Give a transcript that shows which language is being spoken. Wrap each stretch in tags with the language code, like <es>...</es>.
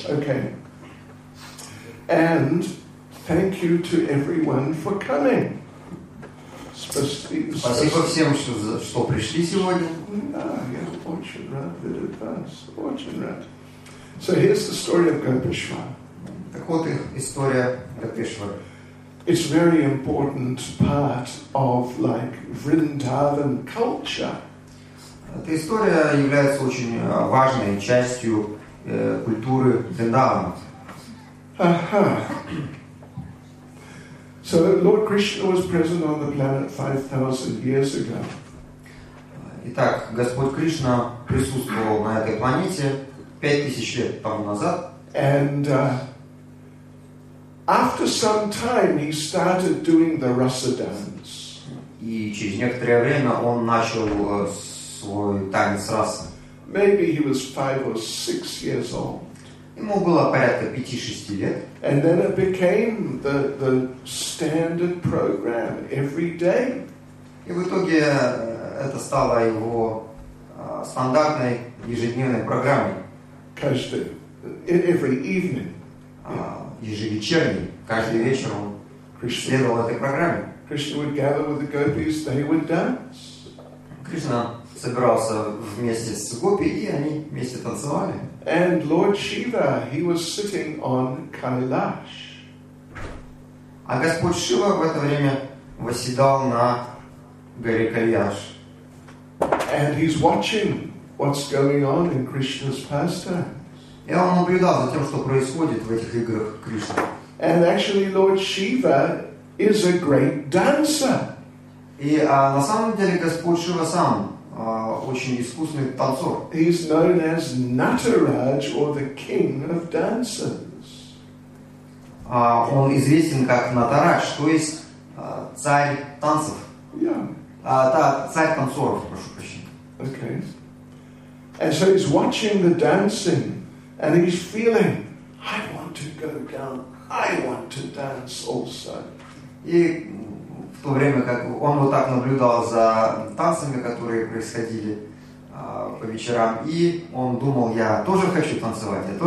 <en>Okay. And thank you to everyone for coming.</en> <ru>Спасибо всем, что пришли сегодня. Yeah, очень рад видеть вас, очень рад.</ru> <en>So here's the story of Gopishwar.</en> <ru>Так вот их история Гопишвара.</ru> <en>It's very important part of like Vrindavan culture.</en> <ru>Эта история является очень важной частью культуры Вриндавана.</ru> <en>So Lord Krishna was present on the planet 5,000 years ago.</en> <ru>Итак, Господь Кришна присутствовал на этой планете 5000 лет тому назад.</ru> <en>And after some time he started doing the rasa dance.</en> <ru>И через некоторое время он начал свой танец раса.</ru> <en>Maybe he was 5 or 6 years old.</en> <ru>Ему было порядка 5-6 лет.</ru> <en>And then it became the standard program every day.</en> <ru>И в итоге это стало его стандартной ежедневной программой. Каждый</ru> <en>every evening.</en> <ru>Ежевечерний, каждый вечер он следовал этой программе.</ru> <en>Krishna would gather with the gopis, they would dance.</en> <ru>Кришна собирался вместе с гопи, и они вместе танцевали.</ru> <en>And Lord Shiva, he was sitting on Kailash.</en> <ru>А Господь Шива в это время восседал на горе Кайлаш.</ru> <en>And he's watching what's going on in Krishna's pastimes.</en> <ru>И он наблюдал за тем, что происходит в этих играх Кришны.</ru> <en>And actually, Lord Shiva is a great dancer.</en> <ru>И на самом деле Господь Шива сам очень искусный танцор.</ru> <en>He is known as Nataraj or the king of dancers.</en> <ru>Он известен как Натарадж, то есть царь танцев. Царь танцоров, прошу прощения.</ru> <en>Okay. And so he's watching the dancing and he's feeling, I want to go down, I want to dance also.</en> <ru>В то время, как он вот так наблюдал за танцами, которые происходили по вечерам, и он думал, я тоже хочу танцевать.</ru>